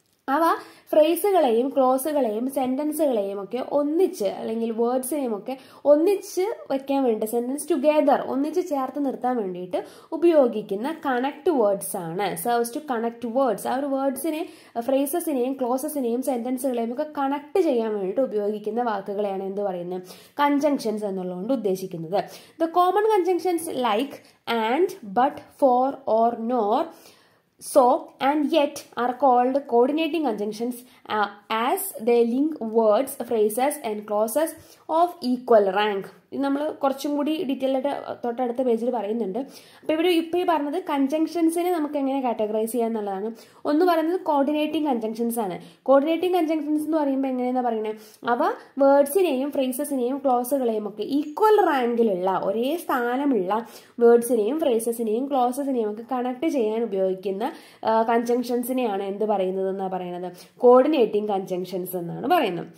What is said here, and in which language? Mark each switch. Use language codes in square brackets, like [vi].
[ml] അവ ഫ്രേസുകളെയും ക്ലോസുകളെയും സെൻറ്റൻസുകളെയും ഒക്കെ ഒന്നിച്ച് അല്ലെങ്കിൽ വേർഡ്സിനെയും ഒക്കെ ഒന്നിച്ച് വെക്കാൻ വേണ്ടി സെൻറ്റൻസ് ടുഗെദർ ഒന്നിച്ച് ചേർത്ത് നിർത്താൻ വേണ്ടിയിട്ട് ഉപയോഗിക്കുന്ന കണക്ട് വേർഡ്സ് ആണ്. [en] serves to connect words, [ml] ആ ഒരു വേർഡ്സിനെ ഫ്രേസസിനെയും ക്ലോസസിനെയും സെൻറ്റൻസുകളെയും ഒക്കെ കണക്ട് ചെയ്യാൻ വേണ്ടിയിട്ട് ഉപയോഗിക്കുന്ന വാക്കുകളെയാണ് എന്ത് പറയുന്നത്, കൺജങ്ഷൻസ് എന്നുള്ളതുകൊണ്ട് ഉദ്ദേശിക്കുന്നത്. [en] The common conjunctions like and but for or nor So and yet are called coordinating conjunctions as they link words, phrases and clauses of equal rank. [ml] നമ്മൾ കുറച്ചും കൂടി ഡീറ്റെയിൽ ആയിട്ട് തൊട്ടടുത്ത പേജിൽ പറയുന്നുണ്ട്. അപ്പോൾ ഇവിടെ ഇപ്പോൾ ഈ പറഞ്ഞത് കൺജങ്ഷൻസിനെ നമുക്ക് എങ്ങനെ കാറ്റഗറൈസ് ചെയ്യാം എന്നുള്ളതാണ്. ഒന്ന് പറയുന്നത് കോർഡിനേറ്റിംഗ് കൺജങ്ഷൻസ് ആണ്. കോർഡിനേറ്റിംഗ് കൺജങ്ഷൻസ് എന്ന് പറയുമ്പോൾ എങ്ങനെയാണ് പറയുന്നത്, അവ വേർഡ്സിനെയും ഫ്രേസസിനെയും ക്ലോസുകളെയും ഒക്കെ ഈക്വൽ റാങ്കിലുള്ള ഒരേ സ്ഥാനമുള്ള വേർഡ്സിനെയും ഫ്രേസസിനെയും ക്ലോസസിനെയും ഒക്കെ കണക്ട് ചെയ്യാൻ ഉപയോഗിക്കുന്ന കൺജങ്ഷൻസിനെയാണ് എന്ത് പറയുന്നത് എന്നാണ് പറയുന്നത്, കോർഡിനേറ്റിംഗ് കൺജങ്ഷൻസ് എന്നാണ് പറയുന്നത്.